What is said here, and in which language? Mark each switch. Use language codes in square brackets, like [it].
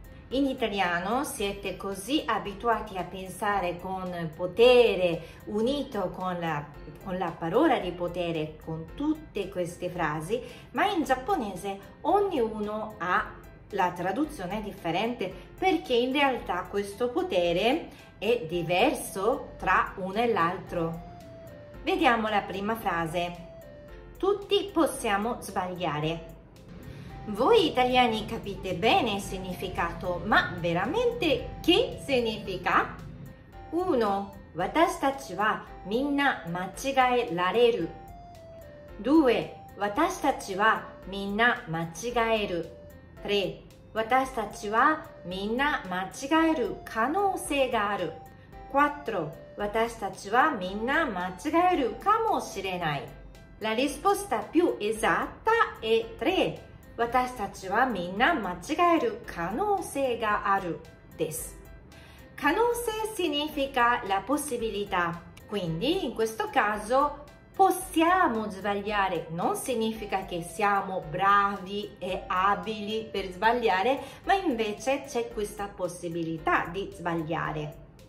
[it] In italiano siete così abituati a pensare con potere unito con la parola di potere, con tutte queste frasi, ma in giapponese ognuno ha la traduzione differente, perché in realtà questo potere è diverso tra uno e l'altro. Vediamo la prima frase. Tutti possiamo sbagliare. Voi italiani capite bene il significato, ma veramente che significa? 1. [ja] 私たちはみんな間違えられる。 2. 私たちはみんな間違える。 3. 私たちはみんな間違える可能性がある。 4. 私たちはみんな間違えるかもしれない。 [it] La risposta più esatta è 3. [ja] 私たちはみんな間違える可能性があるです。 [it] 可能性 significa la possibilità. Quindi, in questo caso, possiamo sbagliare non significa che siamo bravi e abili per sbagliare, ma invece c'è questa possibilità di sbagliare.